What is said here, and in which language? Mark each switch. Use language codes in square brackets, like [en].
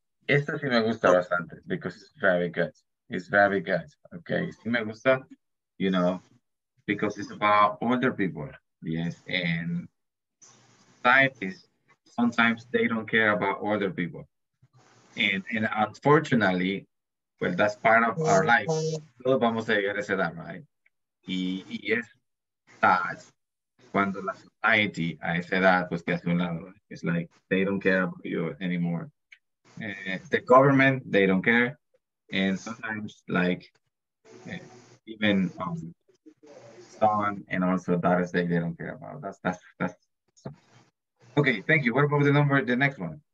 [es] Esto sí me gusta bastante [en] because it's very good. It's very good. Okay. [es] Sí me gusta, [en] you know, because it's about older people. Yes, and scientists sometimes they don't care about older people, and unfortunately, well, that's part of our life. [es] Todos vamos a llegar a esa edad, right? Y es [en] sad [es] cuando la [en] society [es] a esa edad pues te hace un lado. [en] It's like they don't care about you anymore. The government, they don't care, and sometimes like even. Son and also daughters they don't care about. That's okay, thank you. What about the number, the next one?